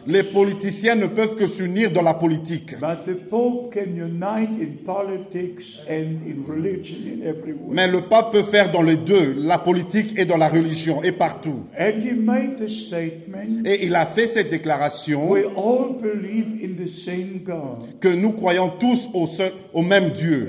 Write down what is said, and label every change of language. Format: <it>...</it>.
<fr>Les politiciens ne peuvent que s'unir dans la politique.</fr> <en>But the pope can unite in politics and in religion in every way.</en> <fr>Mais le pape peut faire dans les deux, la politique et dans la religion et partout.</fr> <en>And he made the statement.</en> <fr>Et il a fait cette déclaration.</fr> <en>We all believe in the same God.</en> <fr>Que nous croyons tous au seul, au même Dieu.</fr>